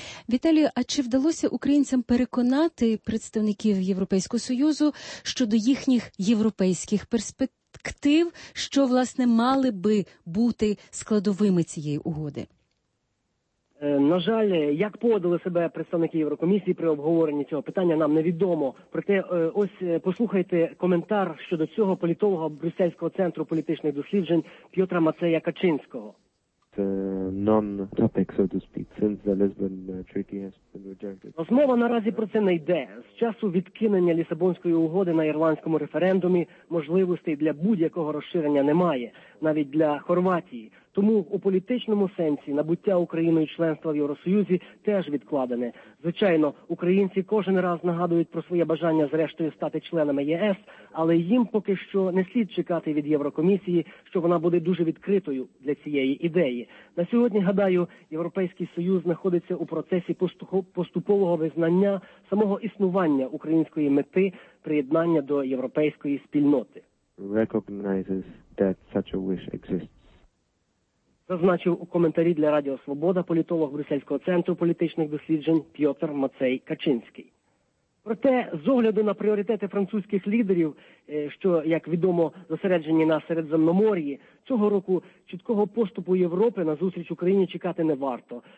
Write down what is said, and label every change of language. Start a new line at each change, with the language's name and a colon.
Ukrainian: Віталію, а чи вдалося українцям переконати представників Європейського Союзу щодо їхніх європейських перспектив, що, власне, мали би бути складовими цієї угоди? На жаль, як поводили себе представники Єврокомісії при обговоренні цього питання, нам невідомо. Проте, ось послухайте коментар щодо цього політолога Брюссельського центру політичних досліджень П'єтра Мацея Качинського.
English: Non-topic, so to speak, since the Lisbon Treaty has been rejected.
Ukrainian: Розмова наразі про це не йде. З часу відкинення Лісабонської угоди на ірландському референдумі можливостей для будь-якого розширення немає, навіть для Хорватії. Тому у політичному сенсі набуття Україною членства в Євросоюзі теж відкладене. Звичайно, українці кожен раз нагадують про своє бажання зрештою стати членами ЄС, але їм поки що не слід чекати від Єврокомісії, що вона буде дуже відкритою для цієї ідеї. На сьогодні, гадаю, Європейський Союз знаходиться у процесі поступового визнання самого існування української мети приєднання до європейської спільноти.
English: Recognizes that such a wish exists.
Ukrainian: Зазначив у коментарі для Радіо Свобода політолог Брюссельського центру політичних досліджень П'єтр Мацей Качинський. Проте, з огляду на пріоритети французьких лідерів, що, як відомо, зосереджені на Середземномор'ї, цього року чіткого поступу Європи на зустріч Україні чекати не варто.